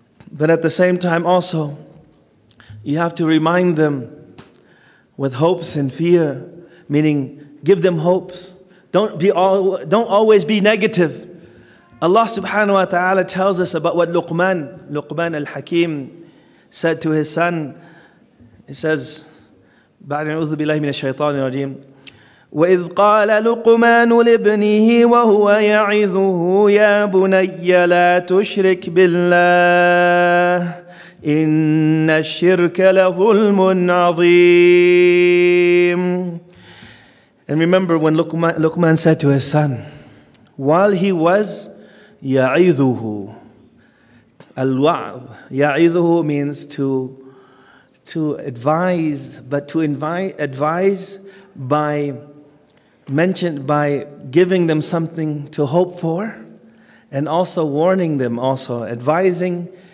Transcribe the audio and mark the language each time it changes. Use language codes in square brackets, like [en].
[en] But at the same time also, you have to remind them with hopes and fear. Meaning, give them hopes. Don't always be negative. Allah subhanahu wa ta'ala tells us about what Luqman al-Hakim said to his son. He says, [ar] بعد أن أعوذ بالله من الشيطان الرجيم وَإِذْ قَالَ لُقْمَانُ لِبْنِهِ وَهُوَ يَعِذُهُ يَا بُنَيَّ لَا تُشْرِكْ بِاللَّهِ إِنَّ الشِّرْكَ لَظُلْمٌ عَظِيمٌ. [en] And remember when Luqman said to his son, while he was يَعِذُهُ, الْوَعْظ, يَعِذُهُ means to advise, but to advise by giving them something to hope for, and also warning them, also advising,